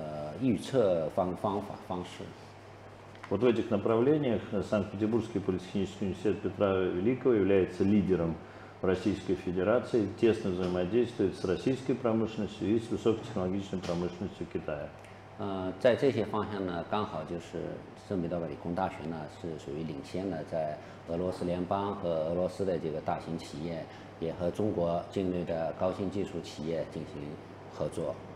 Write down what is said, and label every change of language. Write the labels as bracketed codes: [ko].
[zh] 当然也包括这个机器人技术，也包括这个预测方式。 [ru] Вот в этих направлениях Санкт-Петербургский политехнический университет Петра Великого является лидером в Российской Федерации, тесно взаимодействует с российской промышленностью и с высокотехнологичной промышленностью Китая. [zh] 在这些方向呢，刚好就是圣彼得堡理工大学呢是属于领先的，在俄罗斯联邦和俄罗斯的这个大型企业，也和中国境内的高新技术企业进行合作。